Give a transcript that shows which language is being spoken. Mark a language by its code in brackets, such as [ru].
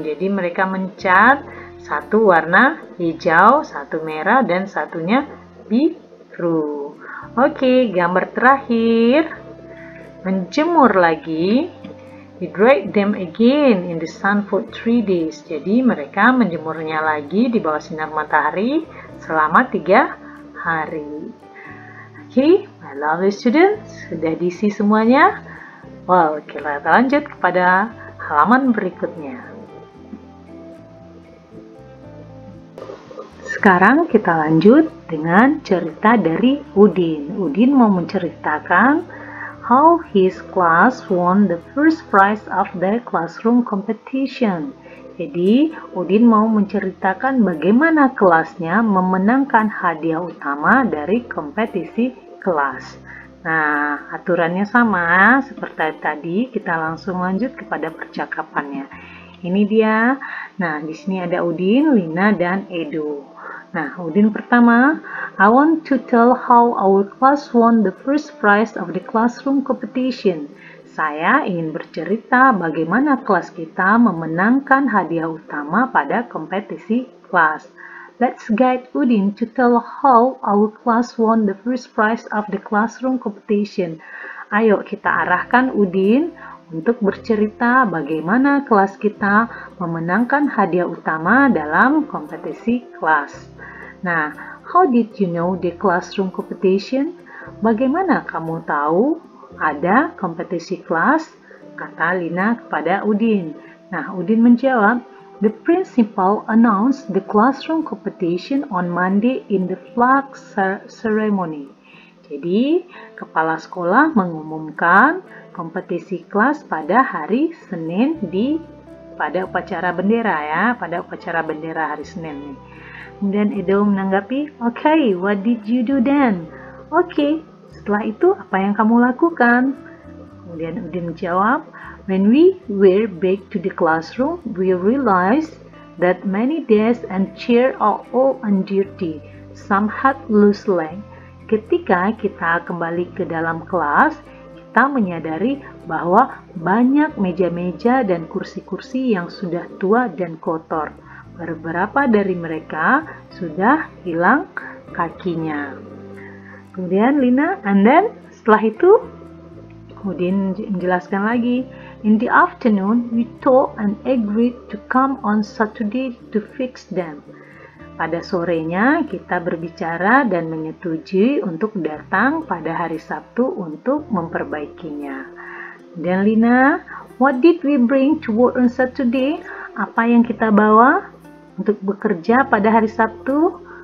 [id] Jadi mereka mencat satu warna hijau, satu merah, dan satunya biru. Oke, gambar terakhir. Menjemur lagi. [en] We dried them again in the sun for 3 days. [id] Jadi mereka menjemurnya lagi di bawah sinar matahari selama 3 hari. Oke, [en] my lovely students, [id] sudah diisi semuanya? Well, kita lanjut kepada halaman berikutnya. Sekarang kita lanjut dengan cerita dari Udin. Udin mau menceritakan [en] how his class won the first prize of their classroom competition. [id] Jadi, Udin mau menceritakan bagaimana kelasnya memenangkan hadiah utama dari kompetisi kelas. Nah, aturannya sama seperti tadi, kita langsung lanjut kepada percakapannya. Ini dia. Nah, di sini ada Udin, Lina, dan Edo. Nah, Udin pertama, [en] I want to tell how our class won the first prize of the classroom competition. [id] Saya ingin bercerita bagaimana kelas kita memenangkan hadiah utama pada kompetisi kelas. [en] Let's guide Udin to tell how our class won the first prize of the classroom competition. [id] Ayo kita arahkan Udin untuk bercerita bagaimana kelas kita memenangkan hadiah utama dalam kompetisi kelas. [en] Nah, how did you know the classroom competition? [id] Bagaimana kamu tahu ada kompetisi kelas? Kata Lina kepada Udin. Nah, Udin menjawab, [en] The principal announced the classroom competition on Monday in the flag ceremony. [id] Jadi, kepala sekolah mengumumkan kompetisi kelas pada hari Senin pada upacara bendera ya, pada upacara bendera hari Senin nih. Kemudian Edo menanggapi, [en] "Okay, what did you do then?" [id] "Okay, setelah itu apa yang kamu lakukan?" Kemudian Udin menjawab, [en] "When we were back to the classroom, we realized that many desks and chairs are all undirty. Some had loose legs." [id] Ketika kita kembali ke dalam kelas, kita menyadari bahwa banyak meja-meja dan kursi-kursi yang sudah tua dan kotor. Beberapa dari mereka sudah hilang kakinya. Kemudian Lina, [en] and then [id] setelah itu, Udin menjelaskan lagi. [en] In the afternoon, we talked and agreed to come on Saturday to fix them. [id] Pada sorenya, kita berbicara dan menyetujui untuk datang pada hari Sabtu untuk memperbaikinya. [en] Dan Lina, what did we bring to work on Saturday? [id] Apa yang kita bawa untuk bekerja pada hari Sabtu?